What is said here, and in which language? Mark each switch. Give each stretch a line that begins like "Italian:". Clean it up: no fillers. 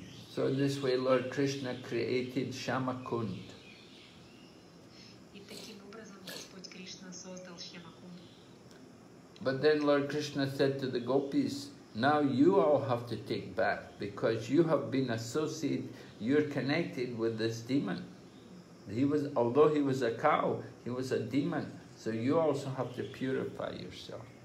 English: So in this way, Lord Krishna created Shamakund.
Russian: И таким образом Господь Кришна создал Шьямакунду.
English: But then Lord Krishna said to the gopis, now you all have to take back because you have been associated, you're connected with this demon. He was, although he was a cow, he was a demon. So you also have to purify yourself.